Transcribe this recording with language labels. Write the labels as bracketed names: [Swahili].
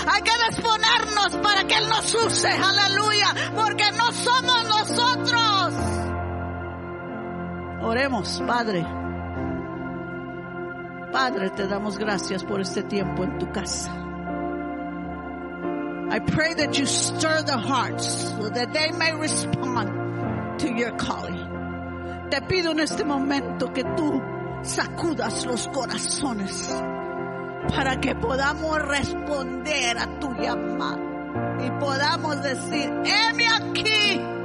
[Spanish] Hay que disponernos para que Él nos use. Aleluya. Porque no somos nosotros. Oremos, Padre. Padre, te damos gracias por este tiempo en tu casa. [English] I pray that you stir the hearts so that they may respond to your calling. [Spanish] Te pido en este momento que tú sacudas los corazones para que podamos responder a tu llamado y podamos decir: heme aquí.